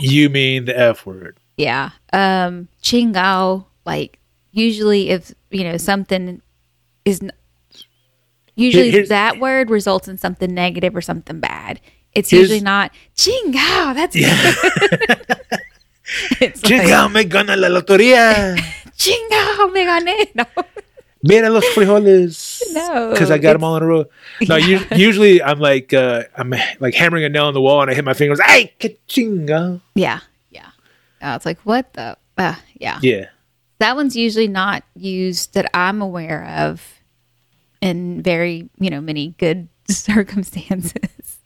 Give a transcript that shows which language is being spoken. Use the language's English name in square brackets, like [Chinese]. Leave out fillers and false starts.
[English] You mean the F word. Yeah. Chingao, like, usually if, you know, something is, that word results in something negative or something bad. It's usually not, chingao, that's good. [Spanish] Chingao me gana la lotería. Chingao me gané. No. Mira los frijoles. No. [English] Because I got them all in a row. No, yeah. Usually I'm like hammering a nail on the wall and I hit my fingers. [Spanish] Ay, ka-chinga. [English] Yeah. Yeah. It's like, what the? Yeah. Yeah. That one's usually not used that I'm aware of in very, you know, many good circumstances.